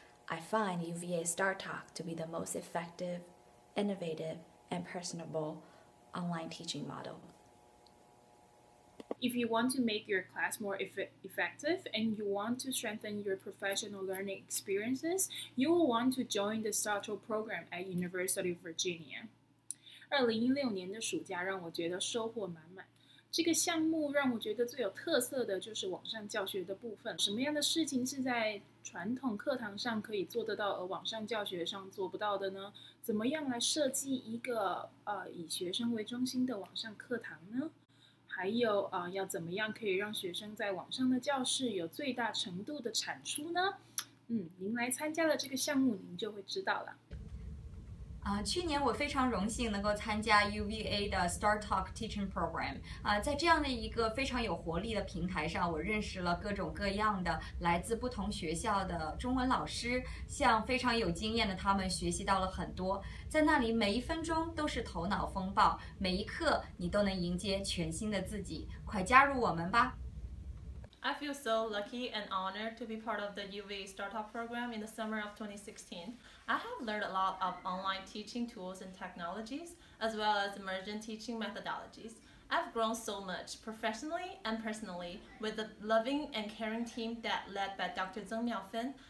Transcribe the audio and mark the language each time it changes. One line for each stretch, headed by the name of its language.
English: I find UVA STARTALK to be the most effective, innovative, and personable online teaching model. If you want to make your class more effective and you want to strengthen your professional learning experiences, you will want to join the STARTALK program at University of Virginia.
Chinese: 2016年的暑假让我觉得收获满满。这个项目让我觉得最有特色的就是网上教学的部分。什么样的事情是在传统课堂上可以做得到，而网上教学上做不到的呢？怎么样来设计一个以学生为中心的网上课堂呢？还有要怎么样可以让学生在网上的教室有最大程度的产出呢？您来参加了这个项目，您就会知道了。去年我非常荣幸能够参加 UVA 的 STARTALK Teaching Program。在这样的一个非常有活力的平台上，我认识了各种各样的来自不同学校的中文老师，向非常有经验的他们学习到了很多。在那里，每一分钟都是头脑风暴，每一刻你都能迎接全新的自己。快加入我们吧！
English: I feel so lucky and honored to be part of the UVA STARTALK program in the summer of 2016. I have learned a lot of online teaching tools and technologies, as well as immersion teaching methodologies. I've grown so much professionally and personally with the loving and caring team that led by Dr. Zeng Miaofen.